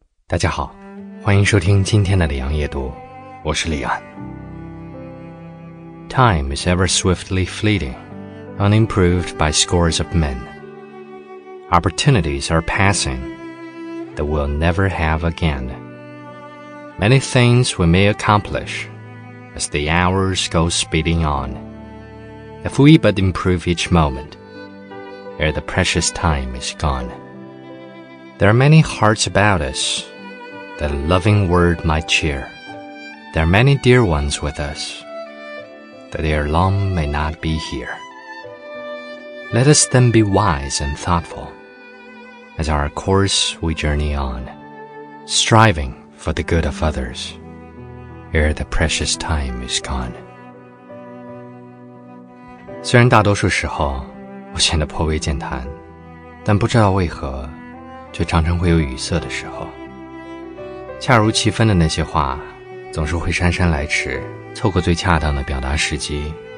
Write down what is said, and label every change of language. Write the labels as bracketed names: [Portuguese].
[Chinese] 大家好，欢迎收听今天的李昂夜读，我是李昂。 [English] Time is ever swiftly fleeting, unimproved by scores of men. Opportunities are passing that we'll never have again. Many things we may accomplish as the hours go speeding on. If we but improve each moment, ere the precious time is gone. There are many hearts about us,That a loving word might cheer. There are many dear ones with us, That ere long may not be here. Let us then be wise and thoughtful, As our course we journey on, Striving for the good of others, Ere the precious time is gone. [Chinese] 虽然大多数时候我显得颇为健谈，但不知道为何，却常常会有语塞的时候。恰如其分的那些话总是会姗姗来迟，错过最恰当的表达时机。